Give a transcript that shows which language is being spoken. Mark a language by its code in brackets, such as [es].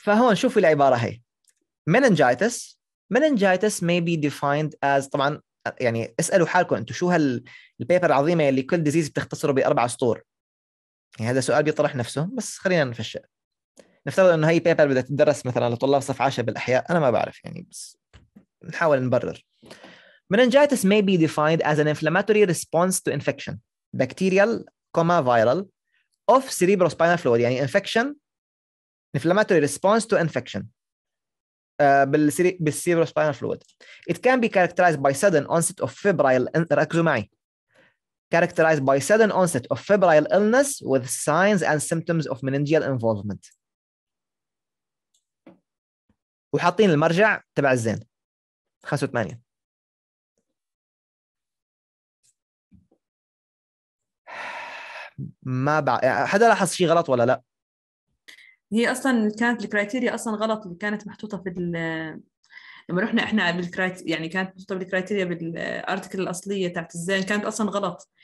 [ar] فهون شوفوا العبارة هي مننجايتس. [en] Meningitis may be defined as، [ar] طبعا يعني اسألوا حالكم انتو شو هالبيبر العظيمة اللي كل ديزيز بتختصره بأربع سطور. يعني هذا سؤال بيطرح نفسه، بس خلينا نفشق. نفترض انه هاي بيبر بدها تدرس مثلا لطلاب صف 10 بالأحياء، انا ما بعرف يعني، بس نحاول نبرر. [en] Meningitis may be defined as an inflammatory response to infection bacterial, viral of cerebrospinal fluid. يعني infection inflammatory response to infection بالcerebrospinal fluid. It can be characterized by sudden onset of febrile. [ar] ركزوا معي. [en] Characterized by sudden onset of febrile illness with signs and symptoms of meningeal involvement. [ar] وحاطين المرجع تبع الزين 85. ما حدا لاحظ شيء غلط ولا لا؟ هي أصلا كانت الكرايتيريا أصلا غلط اللي كانت محطوطة في ال لما رحنا إحنا يعني كانت محطوطة بالكرايتيريا بالأرتكل الأصلية تاعت الزين كانت أصلا غلط.